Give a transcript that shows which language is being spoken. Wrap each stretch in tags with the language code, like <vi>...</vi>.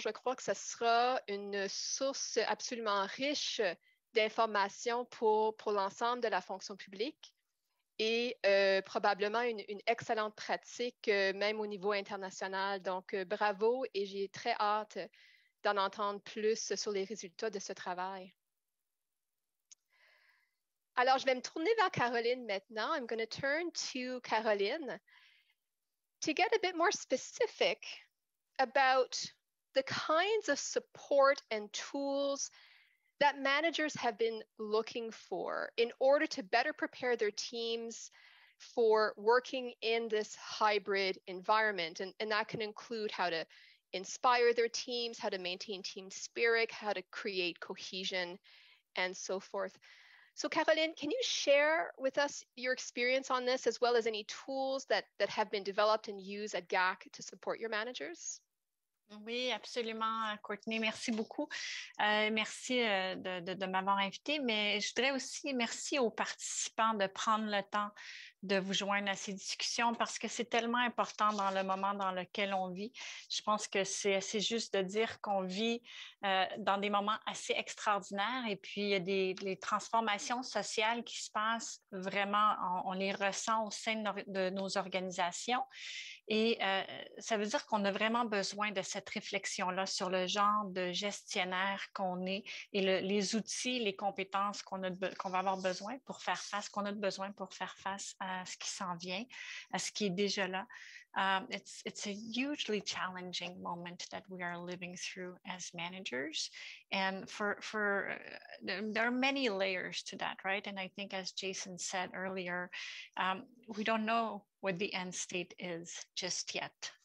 <fr>Je crois que ce sera une source absolument riche d'informations pour l'ensemble de la fonction publique et probablement une excellente pratique, même au niveau international. Donc, bravo et j'ai très hâte d'en entendre plus sur les résultats de ce travail. Alors, je vais me tourner vers Caroline maintenant.</fr> <en>I'm going to turn to Caroline. To get a bit more specific about the kinds of support and tools that managers have been looking for in order to better prepare their teams for working in this hybrid environment. And that can include how to inspire their teams, how to maintain team spirit, how to create cohesion, and so forth. So Caroline, can you share with us your experience on this as well as any tools that have been developed and used at GAC to support your managers?</en> <fr>Oui, absolument, Courtney. Merci beaucoup. Merci de m'avoir invité, mais je voudrais aussi merci aux participants de prendre le temps de vous joindre à ces discussions parce que c'est tellement important dans le moment dans lequel on vit. Je pense que c'est juste de dire qu'on vit dans des moments assez extraordinaires et puis il y a des transformations sociales qui se passent vraiment, on les ressent au sein de nos organisations. Et ça veut dire qu'on a vraiment besoin de cette réflexion-là sur le genre de gestionnaire qu'on est et les outils, les compétences qu'on va avoir besoin pour faire face, qu'on a besoin pour faire face à ce qui s'en vient, à ce qui est déjà là.</fr> <en>It's a hugely challenging moment that we are living through as managers. And for there are many layers to that, right? And I think as Jason said earlier, we don't know what the end state is just yet.</en>